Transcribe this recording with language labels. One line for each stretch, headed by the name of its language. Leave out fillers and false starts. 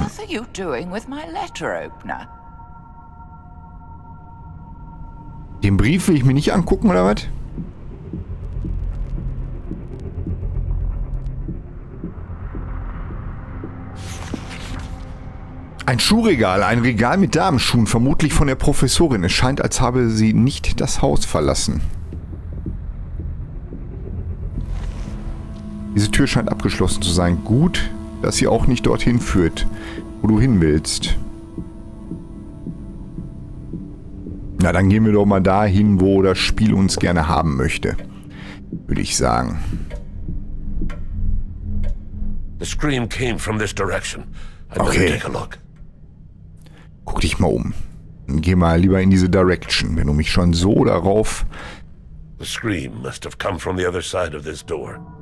English: What are you doing with my letter opener?
German: Den Brief will ich mir nicht angucken, oder was? Ein Schuhregal, ein Regal mit Damenschuhen, vermutlich von der Professorin. Es scheint, als habe sie nicht das Haus verlassen. Diese Tür scheint abgeschlossen zu sein. Gut, dass sie auch nicht dorthin führt, wo du hin willst. Na, dann gehen wir doch mal dahin, wo das Spiel uns gerne haben möchte, würde ich sagen.
English: The scream came from this direction.
German: Okay. Guck dich mal um. Geh mal lieber in diese Direction, wenn du mich schon so darauf...
English: The scream must have come from the other side of this door.